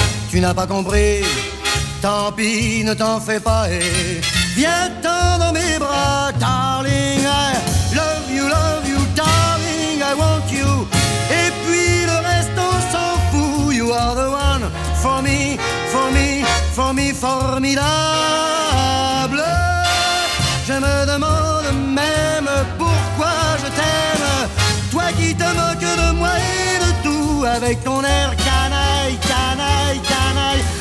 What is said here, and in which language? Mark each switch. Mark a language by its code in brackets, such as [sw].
[fr] Tu n'as pas compris, tant pis, ne t'en fais pas et viens-t'en dans mes bras, [en] darling, I love you, darling, I want you. [fr] Et puis le reste on s'en fout. [en] You are the one for me, for me, for me, formidable. [fr] Je me demande même pourquoi je t'aime, toi qui te moques de moi et de tout avec ton air canaille, canaille, canaille.